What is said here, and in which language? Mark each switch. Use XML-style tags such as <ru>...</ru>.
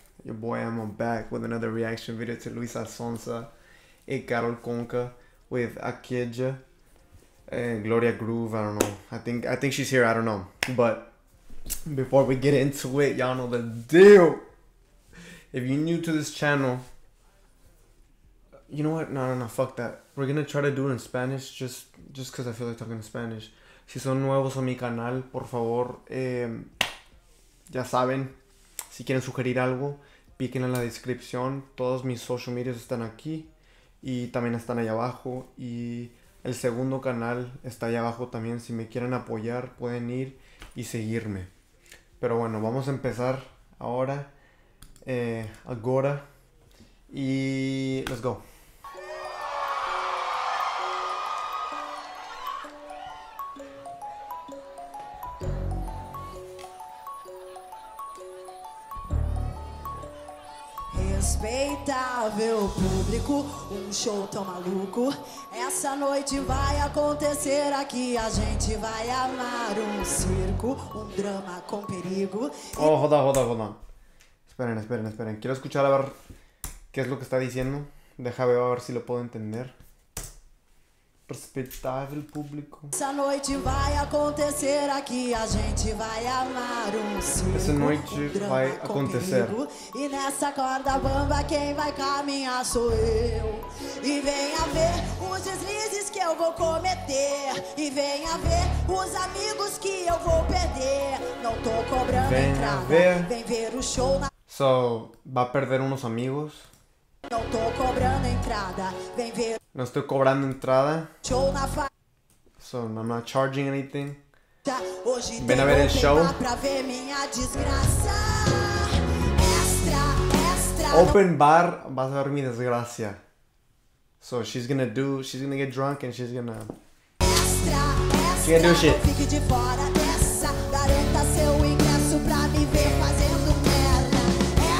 <en>Your boy, I'm back with another reaction video to Luisa, Sonza, and Carol Konka with Akeja and Gloria Groove. I don't know. I think she's here. I don't know. But before we get into it, y'all know the deal. If you're new to this channel, you know what? No, fuck that. We're gonna try to do it in Spanish just because I feel like talking in Spanish.</en> <es>Si son nuevos a mi canal, por favor, ya saben, si quieren sugerir algo, piquen en la descripción. Todos mis social medias están aquí y también están allá abajo. Y el segundo canal está allá abajo también. Si me quieren apoyar, pueden ir y seguirme. Pero bueno, vamos a empezar ahora.</es> <pt>Agora.</pt> <es>Y</es> <en>let's go.</en> <pt>Respeitável público, um show tão maluco. Essa noite vai acontecer aqui. A gente vai amar um circo, um drama com perigo.</pt> <en>Oh, hold on.</en> <es>Esperen. Quiero escuchar a ver qué es lo que está diciendo. Déjame ver si lo puedo entender.</es> <pt>Respeitável público. Essa noite vai acontecer aqui. A gente vai amar um circo. Essa noite vai acontecer. E nessa corda bamba quem vai caminhar sou eu. E venha ver os deslizes que eu vou cometer. E venha ver os amigos que eu vou perder. Não tô cobrando entrada. Vem ver o show na...</pt> <en>So,</en> <pt>vai perder uns amigos. Não tô cobrando entrada. Vem ver... Não estou cobrando entrada. Show na fa...</pt> <en>So, I'm not charging anything.</en> <pt>Hoje vem tem a ver o show. Pra ver minha desgraça. Extra, extra.</pt> <en>Open</en> <pt>não... bar,</pt> <es>vas a ver</es> <pt>minha desgraça.</pt> <en>So, she's gonna get drunk and she's gonna...</en> <pt>Extra, extra,</pt> <en>do shit.</en> <pt>Não fique de fora dessa. Garanta seu ingresso pra me ver fazendo merda.</pt>